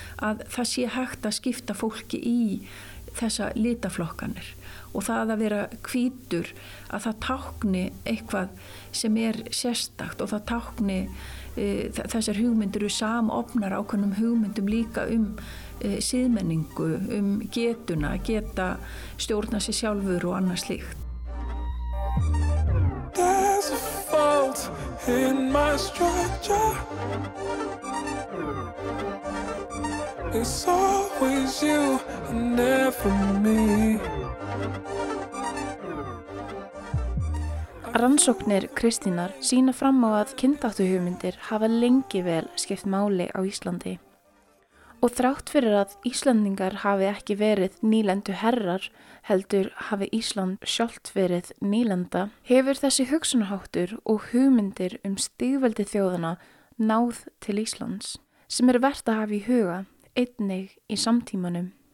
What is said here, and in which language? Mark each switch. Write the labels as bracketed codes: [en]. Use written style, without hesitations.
[is] að það sé hægt að skipta fólki í þessa litaflokkanir og það að vera hvítur að það tákni eitthvað sem sérstakt og það tákni þessar hugmyndir eru samofnar ákveðnum hugmyndum líka síðmenningu, getuna, geta stjórna sig sjálfur og annars slíkt. [en] There's a fault in my structure. It's always you and never me. [is] Rannsóknir Kristínar sýna fram á að kynþáttuhugmyndir hafa lengi vel skipt máli á Íslandi. Og þrátt fyrir að Íslendingar hafi ekki verið nýlendu herrar, heldur hafi Ísland sjálft verið nýlenda, hefur þessi hugsunháttur og hugmyndir stigveldi þjóðana náð til Íslands, sem vert að hafa í huga einnig í samtímanum.